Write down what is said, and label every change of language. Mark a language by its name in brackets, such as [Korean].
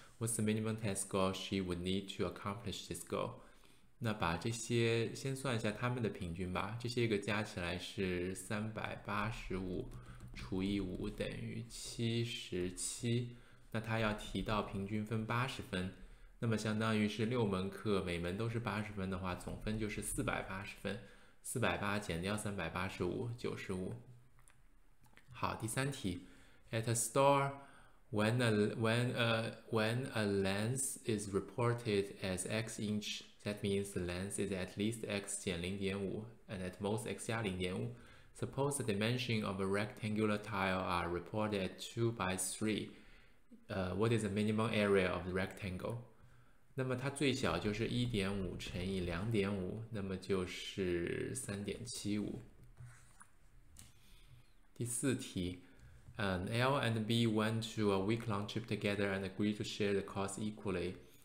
[English] What's the minimum test score she would need to accomplish this goal? [Chinese] 那把这些先算一下他们的平均吧。这些个加起来是385除以5等于77。那他要提到平均分80分，那么相当于是6门课，每门都是80分的话，总分就是480分。 480减掉385，95。好，第三题， [English] At a store, when a length is reported as x inch, that means the length is at least x [Chinese] 减 [English] 0.5 and at most x [Chinese] 加 [English] 0.5. Suppose the dimension of a rectangular tile are reported at 2 by 3. What is the minimum area of the rectangle? [Chinese] 那么它最小就是1.5乘以2.5，那么就是3.75。第四题， [English] L and B went to a week-long trip together and agreed to share the cost equally.